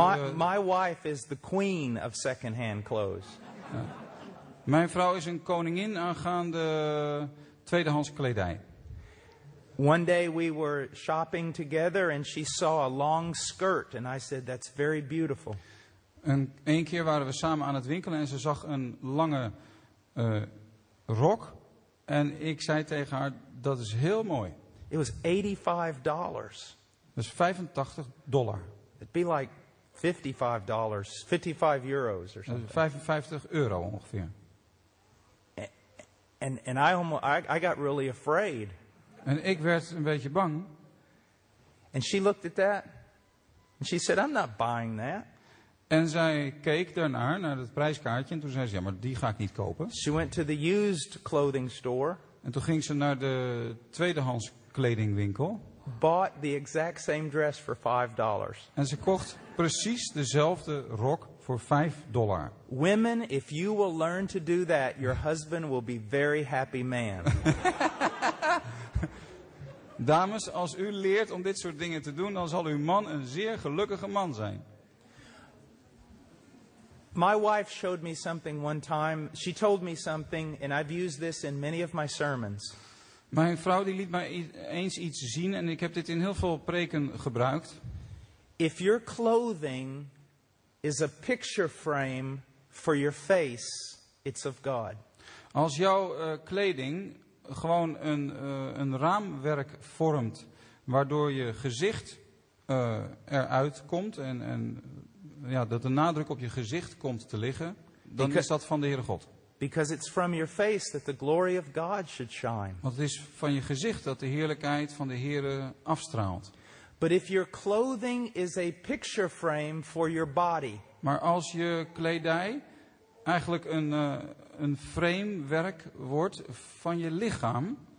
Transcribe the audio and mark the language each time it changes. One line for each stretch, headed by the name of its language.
English: My wife is the queen of second-hand clothes.
Dutch: Ja. Mijn vrouw is een koningin aangaande tweedehands kledij.
English: One day we were shopping together and she saw a long skirt and I said, that's very beautiful.
Dutch: Een keer waren we samen aan het winkelen en ze zag een lange rok. En ik zei tegen haar, dat is heel mooi.
English: It was $85.
Dutch: Dat is $85.
English: It'd be like $55, 55 euros or something.
Dutch: €55 ongeveer.
English: And I got really afraid.
Dutch: En ik werd een beetje bang.
English: And she looked at that and she said, I'm not buying that.
Dutch: En zij keek daarnaar naar het prijskaartje en toen zei ze, ja, maar die ga ik niet kopen.
English: She went to the used clothing store.
Dutch: En toen ging ze naar de tweedehands kledingwinkel.
English: Bought the exact same dress for $5.
Dutch: En ze kocht precies dezelfde rok voor $5.
English: Women, if you will learn to do that, your husband will be very happy man.
Dutch: Dames, als u leert om dit soort dingen te doen, dan zal uw man een zeer gelukkige man zijn.
English: My wife showed me something one time. She told me something, and I've used this in many of my sermons.
Dutch: Mijn vrouw die liet mij eens iets zien, en ik heb dit in heel veel preken gebruikt.
English: If your clothing is a picture frame for your face, it's of God.
Dutch: Als jouw kleding gewoon een raamwerk vormt, waardoor je gezicht eruit komt en ja, dat de nadruk op je gezicht komt te liggen, dan is dat van de Heere God.
English: Because it's from your face that the glory of God should shine.
Dutch: Want het is van je gezicht dat de heerlijkheid van de Heere afstraalt.
English: But if your clothing is a picture frame for your body.
Dutch: Maar als je kledij eigenlijk een framewerk wordt van je lichaam,